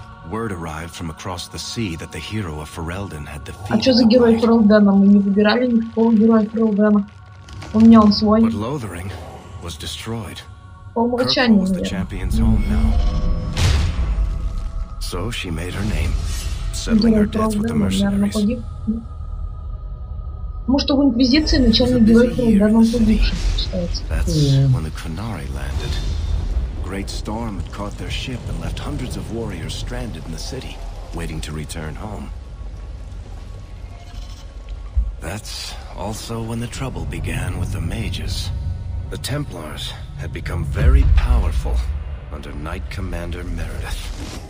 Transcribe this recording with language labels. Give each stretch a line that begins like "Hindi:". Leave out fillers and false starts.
English: Word arrived from across the sea that the hero of Ferelden had defeated.
Russian: А что за герой Ферелдена? Мы не выбирали никакого героя Ферелдена. У меня он свой.
English: But Lothering was destroyed.
Russian: По умолчанию.
English: The champion's home now. So she made her name, settling her debts with the mercenaries.
Russian: Может, в инквизиции начальный герой Ферелдена погиб?
English: That's when the Qunari landed. Great storm had caught their ship and left hundreds of warriors stranded in the city, waiting to return home. That's also when the trouble began with the mages. The Templars had become very powerful under Knight Commander Meredith.